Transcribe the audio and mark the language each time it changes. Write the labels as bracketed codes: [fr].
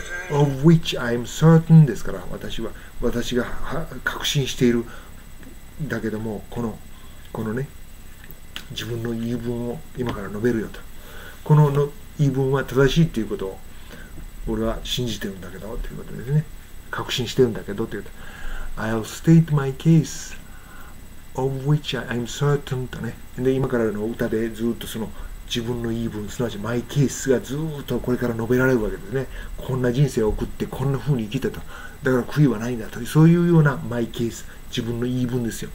[en] Of which I'm certain [ja] ですから、私が確信しているだけども、このね、自分の言い分を今から述べるよと。この言い分は正しいということを、俺は信じてるんだけどということですね。確信してるんだけどということ。 [en] I'll state my case. Of which I'm certain [ja] とね。で、今からの歌でずっとその自分の言い分、すなわち [en] my case [ja] がずっとこれから述べられるわけですね。こんな人生を送ってこんな風に生きたと。だから悔いはないんだと。そういうような [en] my case、 [ja] 自分の言い分ですよ。